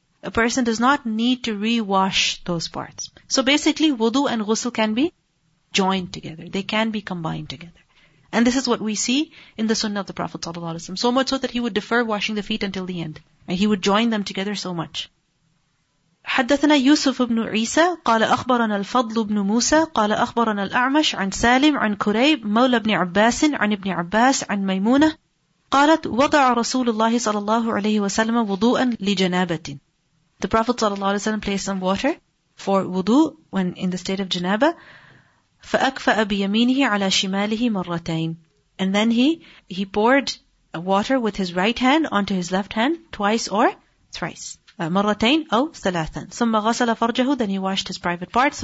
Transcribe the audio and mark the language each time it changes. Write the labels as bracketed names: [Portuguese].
[English] A person does not need to rewash those parts. So basically, wudu and ghusl can be joined together. They can be combined together. And this is what we see in the sunnah of the Prophet ﷺ. So much so that he would defer washing the feet until the end. And he would join them together so much. [Arabic] حدثنا يوسف بن عيسى قال أخبرنا الفضل بن موسى قال أخبرنا الأعمش عن سالم عن كريب مولى بن عباس عن ابن عباس عن ميمونة قالت وضع رسول الله صلى الله عليه وسلم وضوءا لجنابة. [English] The Prophet ﷺ placed some water for wudu when in the state of janaba. [Arabic] فَأَكْفَأَ بِيَمِينِهِ عَلَى شِمَالِهِ مَرَّتَيْنِ. [English] And then he poured water with his right hand onto his left hand twice or thrice. [Arabic] مرتين أو ثلاثا. ثم غسل فرجه, [English] then he washed his private parts.